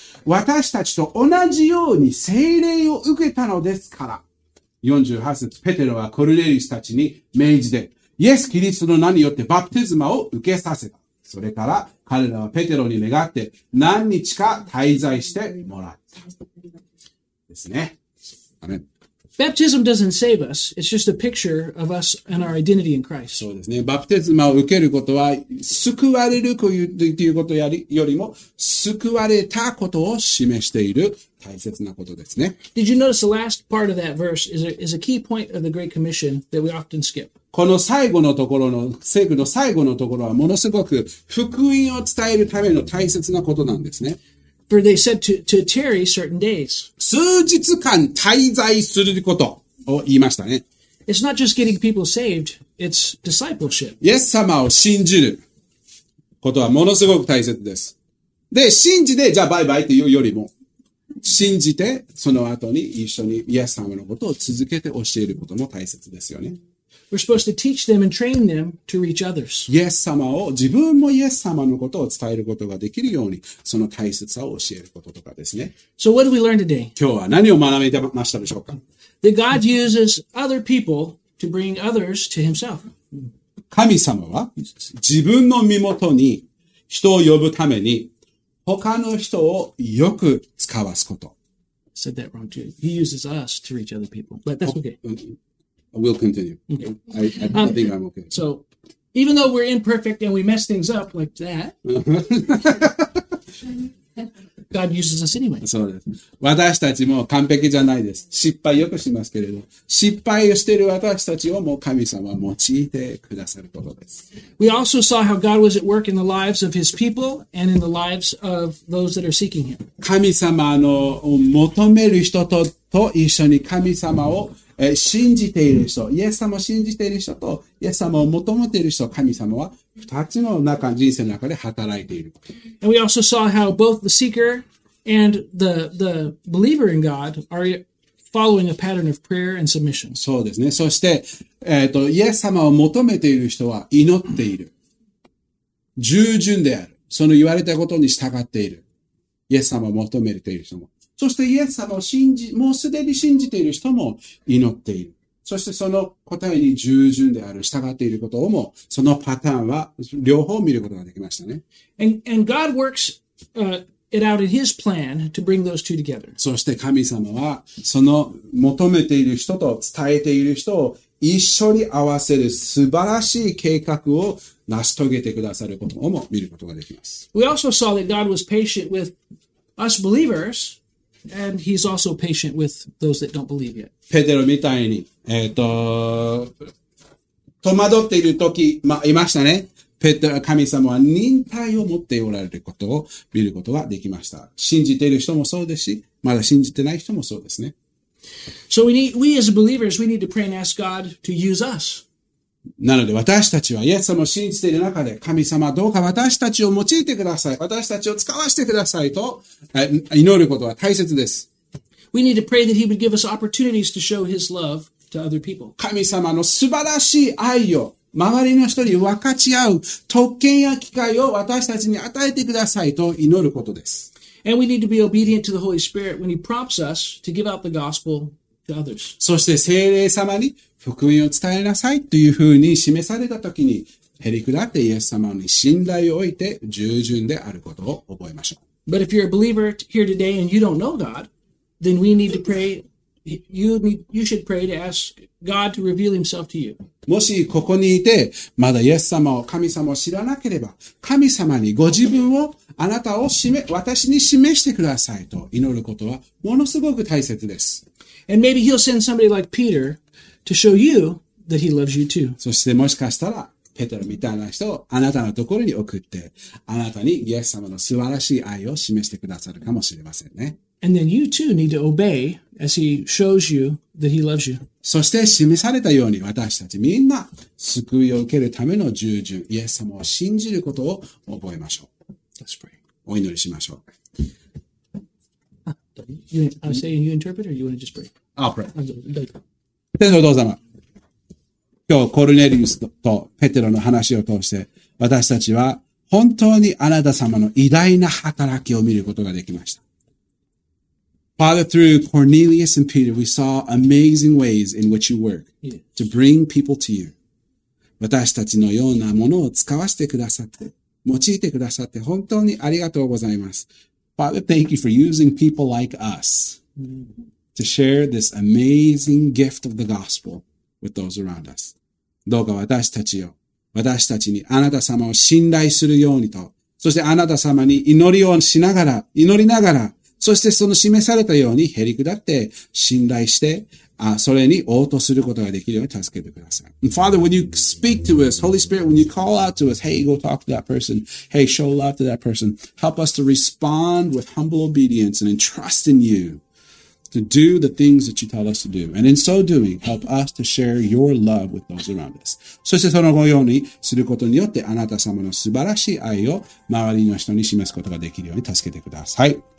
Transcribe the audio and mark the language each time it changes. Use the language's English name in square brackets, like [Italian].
[Japanese] 私たちと同じように聖霊を受けたのですから。 48節、ペテロはコルネリウスたちに命じて、イエス・キリストの名によってバプテスマを受けさせた。それから彼らはペテロに願って何日か滞在してもらった。ですね。アメン。 [English] Baptism doesn't save us. It's just a picture of us and our identity in Christ. [Japanese] そうですね。バプテスマを受けることは救われるということよりも救われたことを示している大切なことですね。 [English] Did you notice the last part of that verse is a key point of the Great Commission that we often skip? [Japanese] この最後のところの、聖句の最後のところはものすごく福音を伝えるための大切なことなんですね。 [English] For they said to tarry certain days. [Japanese] 数日間滞在することを言いましたね。 [English] It's not just getting people saved, it's discipleship. [Japanese] イエス様を信じることはものすごく大切です。で、信じて、じゃあバイバイというよりも、信じて、その後に一緒にイエス様のことを続けて教えることも大切ですよね。 [English] We're supposed to teach them and train them to reach others. [Japanese] イエス様を、自分もイエス様のことを伝えることができるように、その大切さを教えることとかですね。 [English] So what did we learn today? [Japanese] 今日は何を学びましたでしょうか? [English] That God uses other people to bring others to himself. [Japanese] 神様は、自分の身元に人を呼ぶために、他の人をよく使わすこと。 [English] I said that wrong too. He uses us to reach other people. But that's okay. We'll continue. Okay. I think I'm okay. So, even though we're imperfect and we mess things up like that, God uses us anyway. [Japanese] そうです。私たちも完璧じゃないです。失敗よくしますけれど、失敗をしている私たちをもう神様は用いてくださることです。 [English] We also saw how God was at work in the lives of his people and in the lives of those that are seeking him. [Japanese] 神様の求める人と一緒に神様を信じている人、イエス様を信じている人と、イエス様を求めている人、神様は二つの中、人生の中で働いている。 [English] And we also saw how both the seeker and the believer in God are following a pattern of prayer and submission. [Japanese] そうですね。そして、イエス様を求めている人は祈っている。従順である。その言われたことに従っている。イエス様を求めている人も。そしてイエス様を信じ、もうすでに信じている人も祈っている。そしてその答えに従順である、従っていることをも、そのパターンは両方見ることができましたね。 [English] And God works, it out in his plan to bring those two together. [Japanese] そして神様は、その求めている人と伝えている人を一緒に合わせる素晴らしい計画を成し遂げてくださることをも見ることができます。 [English] We also saw that God was patient with us believers, And he's also patient with those that don't believe yet. [Japanese] ペテロみたいに、戸惑っている時、まあ、いましたね。ペテロ、神様は忍耐を持っておられることを見ることができました。信じている人もそうですし、まだ信じてない人もそうですね。 [English] So we need, we as believers, we need to pray and ask God to use us. [Japanese] なので私たちはイエス様を信じている中で、神様どうか私たちを用いてください。私たちを使わせてくださいと、祈ることは大切です。 [English] We need to pray that he would give us opportunities to show his love to other people. [Japanese] 神様の素晴らしい愛を周りの人に分かち合う特権や機会を私たちに与えてくださいと祈ることです。 [English] And we need to be obedient to the Holy Spirit when He prompts us to give out the gospel to others. [Japanese] そして聖霊様に福音を伝えなさいというふうに示された時に、へりくだってイエス様に信頼を置いて従順であることを覚えましょう。 [English] But if you're a believer here today and you don't know God, then we need to pray. You should pray to ask God to reveal Himself to you. [Japanese] もしここにいてまだイエス様を神様を知らなければ、神様にご自分をあなたを私に示してくださいと祈ることはものすごく大切です。 [English] And maybe he'll send somebody like Peter to show you that he loves you too. [Japanese] そしてもしかしたら、ペテロみたいな人をあなたのところに送って、あなたにイエス様の素晴らしい愛を示してくださるかもしれませんね。 [English] And then you too need to obey as he shows you that he loves you. [Japanese] そして示されたように私たちみんな救いを受けるための従順、イエス様を信じることを覚えましょう。 [English] Let's pray. [Japanese] お祈りしましょう。 [English] I'm saying you interpret or you want to just pray? I'll pray. [Japanese] 天皇お父様、今日コルネリウスとペテロの話を通して私たちは本当にあなた様の偉大な働きを見ることができました。 [English] Father, through Cornelius and Peter, we saw amazing ways in which you work to bring people to you. [Japanese] 私たちのようなものを使わせてくださって用いてくださって本当にありがとうございます。 [English] Father, thank you for using people like us to share this amazing gift of the gospel with those around us. [Japanese] どうか私たちにあなた様を信頼するようにと、そしてあなた様に祈りをしながら、祈りながら、そしてその示されたようにへりくだって信頼して、それに応答することができるように助けてください。 [English] And Father, when you speak to us, Holy Spirit, when you call out to us, hey, go talk to that person, hey, show love to that person, help us to respond with humble obedience and entrust in you to do the things that you tell us to do. And in so doing, help us to share your love with those around us. [Japanese] そしてそのようにすることによって、あなた様の素晴らしい愛を周りの人に示すことができるように助けてください。